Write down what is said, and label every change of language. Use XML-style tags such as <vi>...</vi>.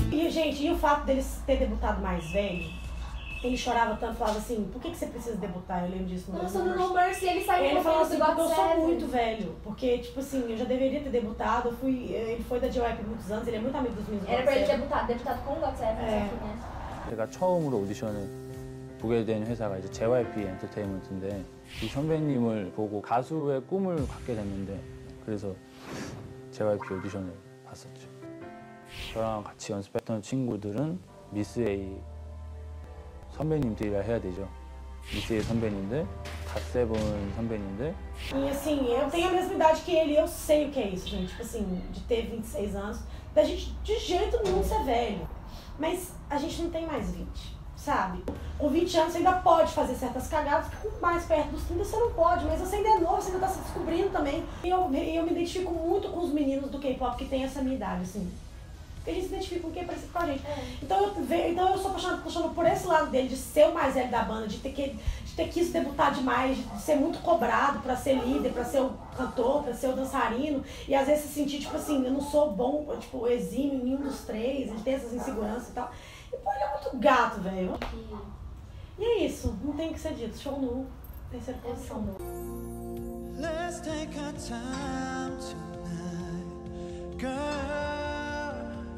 <pt>Gente, e o fato deles ter debutado mais velho, ele chorava tanto, falava assim, por que você precisa debutar? Eu lembro disso. Nossa, no No Mercy, ele saiu com o filho do God 7. Ele falava assim, porque eu sou muito velho, porque, tipo assim, eu já deveria ter debutado, ele foi da JYP muitos anos, ele é muito amigo dos meus. Era pra ele debutado com o God 7, né?</pt> <ko>처음으로 오디션을 보게 된 회사가 이제 JYP 엔터테인먼트인데, 이 선배님을 보고 가수의 꿈을 갖게 됐는데, 그래서 JYP 오디션을 봤었죠. 저랑 같이 연습했던 친구들은 미스 A 선배님들이라 해야 되죠. 미스 A 선배님들, 갓세븐 선배님들.</ko> <pt>E assim, eu tenho a mesma idade que ele, eu sei o que é isso, gente. Tipo assim, de ter 26 anos, da gente de jeito nenhum ser velho. Mas a gente não tem mais 20, sabe? Com 20 anos você ainda pode fazer certas cagadas, com mais perto dos 30 você não pode, mas você ainda é novo, você ainda tá se descobrindo também. E eu me identifico muito com os meninos do K-pop que têm essa minha idade, assim. E a gente se identifica com quem é parecido com a gente. É. Então eu sou apaixonada por esse lado dele, de ser o mais velho da banda, de ter quis debutar demais, de ser muito cobrado pra ser líder, pra ser o cantor, pra ser o dançarino. E às vezes se sentir, tipo assim, eu não sou bom, tipo, exímio em nenhum dos três, ele tem essas inseguranças e tal. E pô, ele é muito gato, velho. E é isso, não tem o que ser dito. Show nu. Tem certeza que é show nu.</pt> <en>Let's take a time tonight, girl.</en>